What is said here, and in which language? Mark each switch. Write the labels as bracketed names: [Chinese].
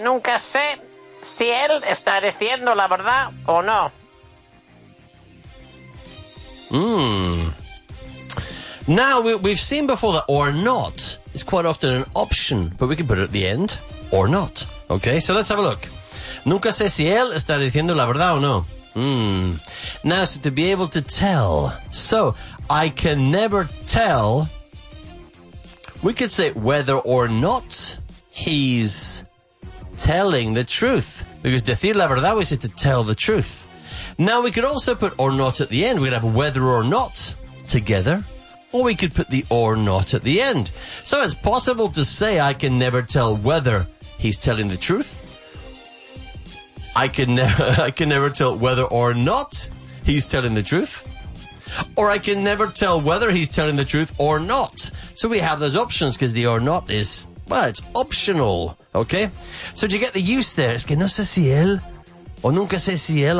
[Spanish] Nunca sé si él está diciendo la verdad o no. [English] Now, we've seen before that or not is quite often an option, but we can put it at the end. Or not. Okay, so let's have a look. [Spanish] Nunca sé si él está diciendo la verdad o no. [English] Now, so to be able to tell. So, I can never tell. We could say whether or not he's telling the truth. Because [Spanish] decir la verdad, [English] we say to tell the truth. Now, we could also put or not at the end. We could have whether or not together. Or we could put the or not at the end. So, it's possible to say I can never tell whether he's telling the truth. I can never tell whether or not he's telling the truth. Or I can never tell whether he's telling the truth or not. So we have those options because the or not is, well, it's optional. Okay? So do you get the use there? [Spanish] Es que no sé si él o nunca sé si él.